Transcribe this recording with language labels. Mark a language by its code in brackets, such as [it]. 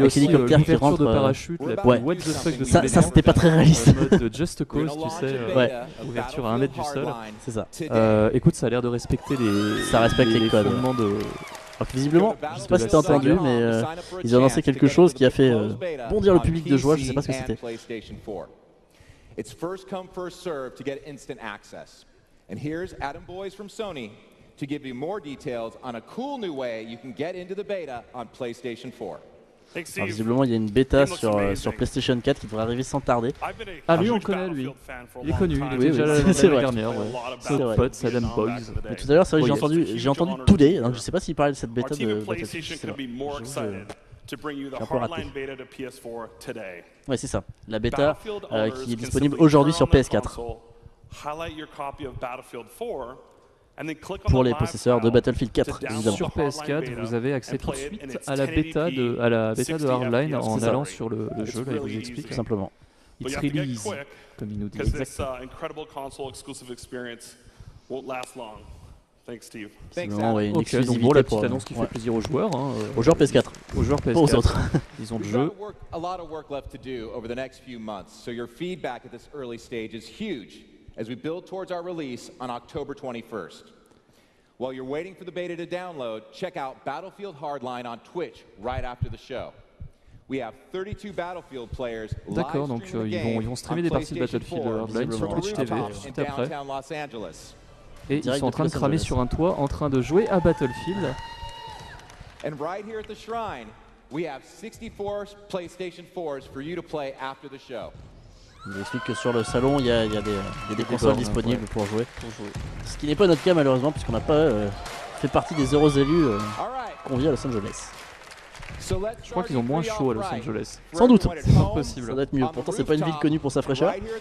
[fr] avec l'hélicoptère qui rentre. Ça, c'était pas très réaliste. Just Cause, tu sais, ouverture à un mètre du sol. C'est ça. Écoute, ça a l'air de respecter les. Ça respecte les codes. Fondements de. Visiblement, je sais pas si t'as entendu, mais ils ont annoncé quelque chose qui a fait bondir le public de joie. Je sais pas ce que c'était. [en] It's first come, first serve to get instant access. And here's Adam Boyes from Sony to give you more details on a cool new way you can get into the beta on PlayStation 4. [fr] Alors, visiblement, il y a une bêta sur PlayStation 4 qui devrait arriver sans tarder. Ah, lui, on connaît lui. Il est connu, il est déjà c'est vrai. Dernière, c'est pote, c'est Adam Boyes. Mais tout à l'heure, c'est vrai, j'ai entendu Today, donc je sais pas s'il parlait de cette bêta de PlayStation. [en] To bring you the hardline beta to PS4 today. [fr] Ouais, c'est ça. La bêta qui est disponible aujourd'hui sur PS4. Pour les possesseurs de Battlefield 4, évidemment. Sur PS4, vous avez accès tout de suite à la bêta de Hardline en allant sur le jeu. Là, il vous explique tout simplement. [en] It's really easy, [fr] comme il nous dit. [en] This incredible console exclusive experience won't last long. Thanks, Steve. Thanks, Adam. [fr] Okay, donc la petite annonce qui fait plaisir aux joueurs. Hein, aux joueurs PS4. Aux joueurs PS4. Pas aux autres. Ils ont le jeu. [en] A lot of work left to do over the next few months, so your feedback at this early stage is huge as we build towards our release on October 21st. While you're waiting for the beta to download, check out Battlefield Hardline on Twitch right after the show. We have 32 Battlefield players live. [fr] D'accord, donc ils vont streamer des parties de Battlefield Hardline sur Twitch TV juste après. Los Angeles. Et ils sont en train de cramer sur un toit, en train de jouer à Battlefield. [en] And right here at the shrine, we have 64 PlayStation 4s for you to play after the show. [fr] Il explique que sur le salon, il y a des consoles disponibles pour jouer. Ce qui n'est pas notre cas malheureusement, puisqu'on n'a pas fait partie des heureux élus conviés à Los Angeles. So je crois qu'ils ont moins chaud à Los Angeles. Sans doute. C'est impossible. Ça doit être mieux. Pourtant, c'est pas une ville connue pour sa fraîcheur.